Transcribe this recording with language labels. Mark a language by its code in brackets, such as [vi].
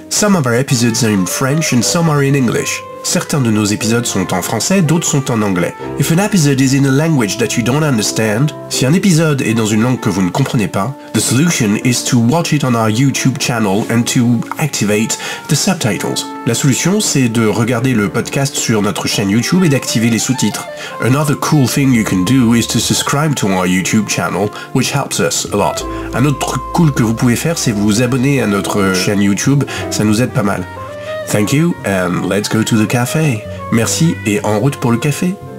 [en] Some of our episodes are in French and some are in English. [fr] Certains de nos épisodes sont en français, d'autres sont en anglais. [en] If an episode is in a language that you don't understand, [fr] si un épisode est dans une langue que vous ne comprenez pas, [en] the solution is to watch it on our YouTube channel and to activate the subtitles. [fr] La solution, c'est de regarder le podcast sur notre chaîne YouTube et d'activer les sous-titres. [en] Another cool thing you can do is to subscribe to our YouTube channel, which helps us a lot. [fr] Un autre truc cool que vous pouvez faire, c'est vous abonner à notre chaîne YouTube, ça nous aide pas mal. [en] Thank you, and let's go to the café. [fr] Merci, et en route pour le café.